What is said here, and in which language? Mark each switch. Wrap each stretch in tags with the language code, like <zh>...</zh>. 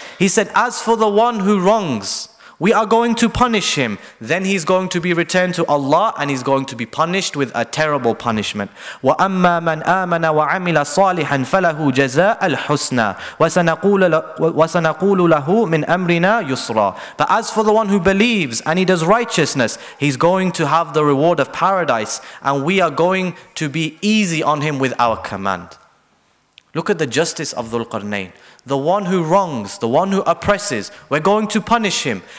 <en>He said, as for the one who wrongs, we are going to punish him. Then he's going to be returned to Allah and he's going to be punished with a terrible punishment.</en> <ar>وأما من آمن وعمل صالحا فله جزاء الحسنى وسنقول له من أمرنا يسرا.</ar> <en>But as for the one who believes and he does righteousness, he's going to have the reward of paradise and we are going to be easy on him with our command. Look at the justice of ذُلْقَرْنَيْنِ. The one who wrongs, the one who oppresses, we're going to punish him.</en>